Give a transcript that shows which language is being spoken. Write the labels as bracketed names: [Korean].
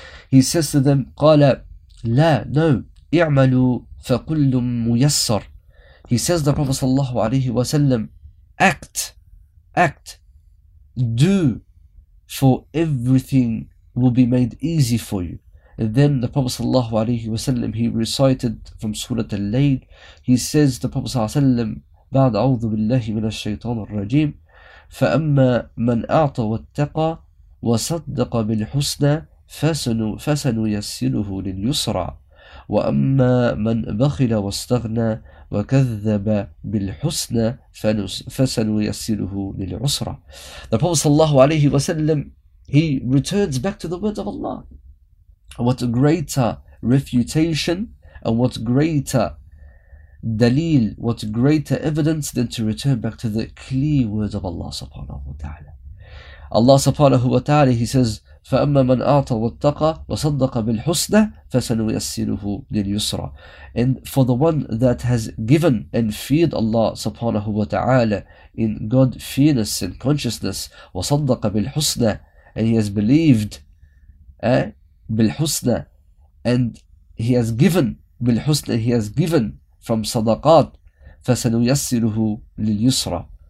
[English] He says to them, [Arabic] قَالَ لَا [English] no, [Arabic] اِعْمَلُوا فَقُلُّمْ مُيَسَّرْ. [English] He says, the Prophet sallallahu alayhi wa sallam, act, do, for everything will be made easy for you. And then the Prophet sallallahu alayhi wa sallam, he recited from Surah Al-Layl. He says, the Prophet sallallahu alayhi wa sallam, [Arabic] بعد أعوذ بالله من الشيطان الرجيم فأما من أعطى واتقى وصدق بالحسنى فسنيسره لليسرى وأما من بخل واستغنى وكذب بالحسنى فسنيسره للعسرى. [English] The Prophet sallallahu alayhi wa sallam, he returns back to the words of Allah. What greater refutation and what greater dalil, what greater evidence than to return back to the clear words of Allah subhanahu wa ta'ala. Allah subhanahu wa ta'ala, He says, [Arabic] فَأَمَّا مَنْ أَعْطَى وَاتَّقَى وَصَدَّقَ بِالْحُسْنَى فَسَنُيَسِّرُهُ لِلْيُسْرَى. [English] And for the one that has given and feared Allah subhanahu wa ta'ala in God-fearness and consciousness, [Arabic] وَصَدَّقَ بِالْحُسْنَى, [English] and he has believed بِالْحُسْنَى, and he has given بِالْحُسْنَى, he has given from sadaqat, [Arabic] فَسَنُيَسِّرُهُ لِلْيُسْرَى.